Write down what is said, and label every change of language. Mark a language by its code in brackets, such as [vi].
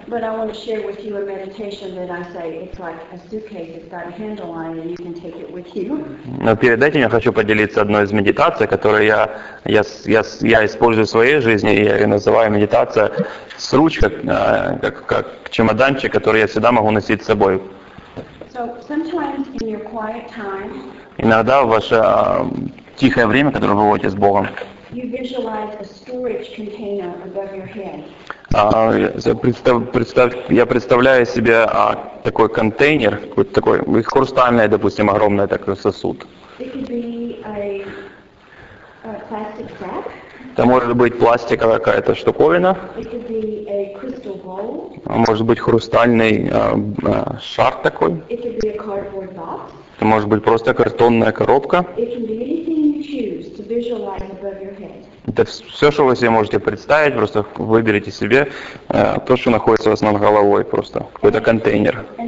[en] But I want to share with you a meditation that I say it's like a suitcase, it's got a handle on it and you can take it with you. [ru] Но перед этим я хочу поделиться одной из медитаций, которую я использую в своей жизни, и я ее называю медитация с ручкой, как чемоданчик, который я всегда могу носить с собой. [en] So sometimes in your quiet time, [ru] иногда в ваше тихое время, которое вы проводите с Богом, [en] you visualize a storage container above your head. [ru] Я представляю себе такой контейнер, какой-то такой хрустальный, допустим, огромный такой сосуд. [en] It could be a plastic cup. [ru] Это может быть пластиковая какая-то штуковина. [en] It could be a crystal bowl. [ru] Может быть хрустальный шар такой. [en] It could be a cardboard box. [ru] Это может быть просто картонная коробка. [en] It can be anything you choose to visualize above your head. [ru] Это все, что вы себе можете представить, просто выберите себе то, что находится у вас над головой, просто какой-то контейнер.